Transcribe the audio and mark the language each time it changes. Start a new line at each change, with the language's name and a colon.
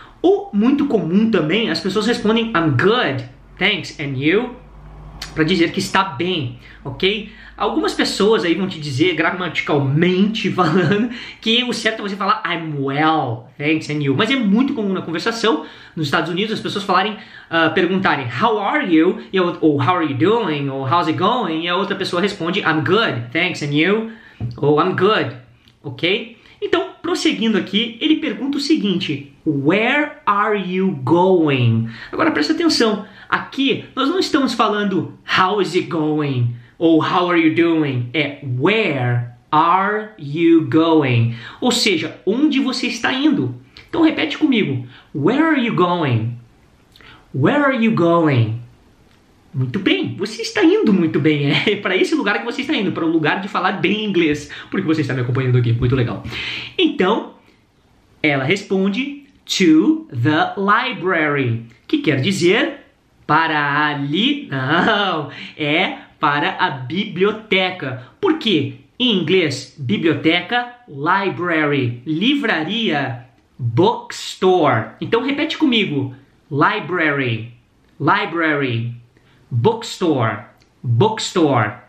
Portuguese: Ou, muito comum também, as pessoas respondem
English: I'm good, thanks, and you,
Portuguese: para dizer que está bem, ok? Algumas pessoas aí vão te dizer, gramaticalmente falando, que o certo é você falar
English: I'm well, thanks, and you.
Portuguese: Mas é muito comum na conversação nos Estados Unidos as pessoas falarem, perguntarem
English: How are you?
Portuguese: Ou
English: how are you doing?
Portuguese: Ou
English: how's it going?
Portuguese: E a outra pessoa responde
English: I'm good, thanks, and you?
Portuguese: Ou
English: I'm good, ok?
Portuguese: Então, prosseguindo aqui, ele pergunta o seguinte:
English: Where are you going?
Portuguese: Agora, presta atenção. Aqui, nós não estamos falando
English: How is it going?
Portuguese: Ou
English: how are you doing?
Portuguese: É
English: where are you going?
Portuguese: Ou seja, onde você está indo? Então repete comigo:
English: Where are you going? Where are you going?
Portuguese: Muito bem, você está indo muito bem. É para esse lugar que você está indo, para o lugar de falar bem inglês, porque você está me acompanhando aqui, muito legal. Então, ela responde
English: To the library,
Portuguese: que quer dizer para ali, não, é para a biblioteca. Por quê? Em inglês, biblioteca, library. Livraria, bookstore. Então, repete comigo.
English: Library, library, bookstore, bookstore.